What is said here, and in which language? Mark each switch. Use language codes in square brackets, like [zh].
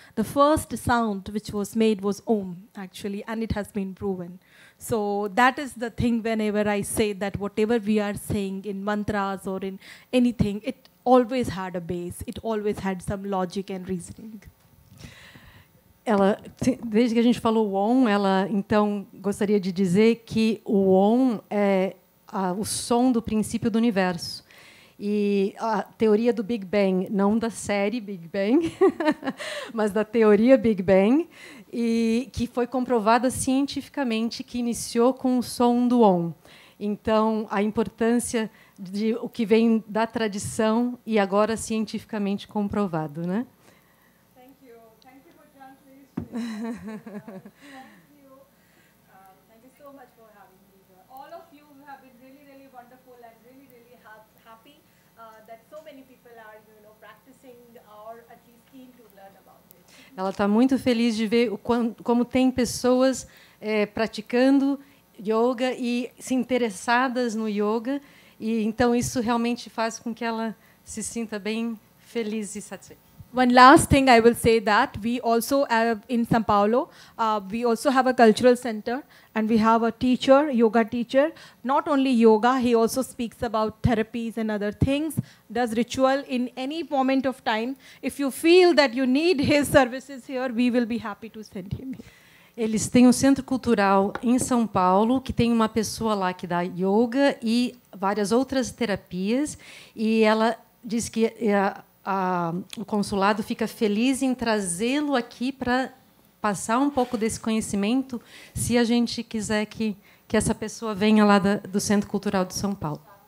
[en] The first sound which was made was Om, actually, and it has been proven. So that is the thing whenever I say that whatever we are saying in mantras or in anything, it always had a base, it always had some logic and reasoning. [pt] Ela, desde que a gente falou Om, ela então gostaria de dizer que o Om é o som do princípio do universo. E a teoria do Big Bang, não da série Big Bang, mas da teoria Big Bang, e que foi comprovada cientificamente que iniciou com o som do Om. Então, a importância de o que vem da tradição e agora cientificamente comprovado, né? [en] Thank you for joining us. Thank you so much for having me here. All of you have been really, really wonderful and really, really happy that so many people are, you know, practicing or at least keen to learn about it. [pt] Ela está muito feliz de ver como tem pessoas praticando yoga e se interessadas no yoga. E então isso realmente faz com que ela se sinta bem feliz e satisfeita. [en] One last thing I will say that we also have in São Paulo, we also have a cultural center and we have a teacher, yoga teacher. Not only yoga, he also speaks about therapies and other things, does ritual in any moment of time. If you feel that you need his services here, we will be happy to send him. [pt] Eles têm um centro cultural em São Paulo, que tem uma pessoa lá que dá yoga e várias outras terapias. E ela diz que o consulado fica feliz em trazê-lo aqui para passar um pouco desse conhecimento, se a gente quiser que essa pessoa venha lá do Centro Cultural de São Paulo.